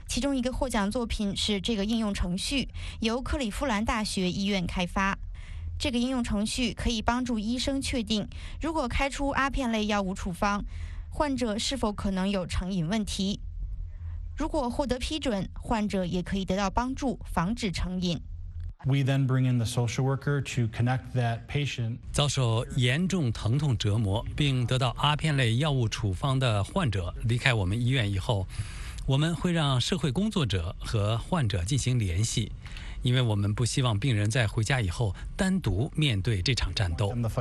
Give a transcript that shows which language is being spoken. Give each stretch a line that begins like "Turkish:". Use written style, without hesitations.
Chinese: 其中一个获奖作品是这个应用程序，由克利夫兰大学医院开发。这个应用程序可以帮助医生确定，如果开出阿片类药物处方，患者是否可能有成瘾问题。如果获得批准，患者也可以得到帮助，防止成瘾。
English: We then bring in the social worker to connect that patient.
Chinese: 遭受严重疼痛折磨并得到阿片类药物处方的患者离开我们医院以后，我们会让社会工作者和患者进行联系，因为我们不希望病人在回家以后单独面对这场战斗。